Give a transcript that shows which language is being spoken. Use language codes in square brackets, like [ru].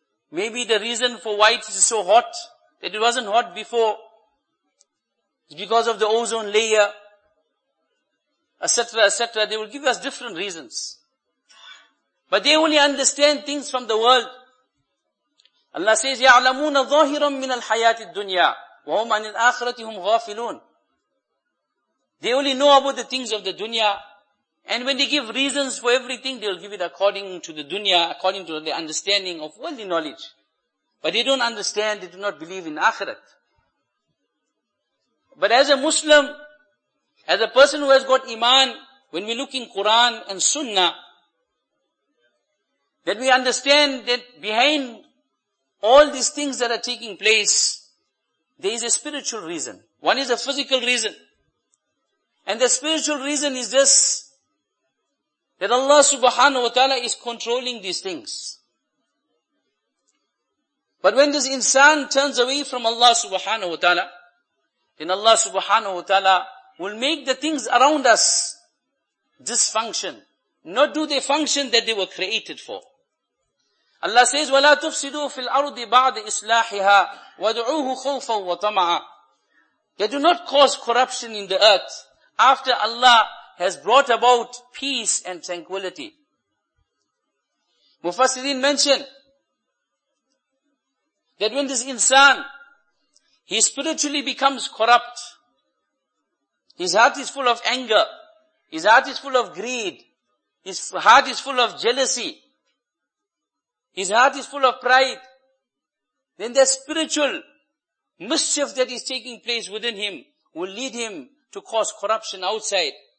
[en] Maybe the reason for why it is so hot, that it wasn't hot before, is because of the ozone layer, etc., etc. They will give us different reasons. But they only understand things from the world. Allah says, [ar] يَعْلَمُونَ ظَاهِرًا مِّنَ الْحَيَاةِ الدُّنْيَا وَهُمْ عَنِ الْآخِرَةِ هُمْ غَافِلُونَ. [en] They only know about the things of the dunya. And when they give reasons for everything, they'll give it according to the dunya, according to the understanding of worldly knowledge. But they don't understand, they do not believe in akhirat. But as a Muslim, as a person who has got iman, when we look in Quran and Sunnah, that we understand that behind all these things that are taking place, there is a spiritual reason. One is a physical reason. And the spiritual reason is this, that Allah subhanahu wa ta'ala is controlling these things. But when this insan turns away from Allah subhanahu wa ta'ala, then Allah subhanahu wa ta'ala will make the things around us dysfunction. Not do the function that they were created for. Allah says, [ar] وَلَا تُفْسِدُوا فِي الْأَرْضِ بَعْدِ إِصْلَاحِهَا وَدُعُوهُ خَوْفًا وَطَمَعًا. [en] They do not cause corruption in the earth after Allah has brought about peace and tranquility. Mufassirin mention that when this insan, he spiritually becomes corrupt, his heart is full of anger, his heart is full of greed, his heart is full of jealousy, his heart is full of pride, then the spiritual mischief that is taking place within him will lead him to cause corruption outside.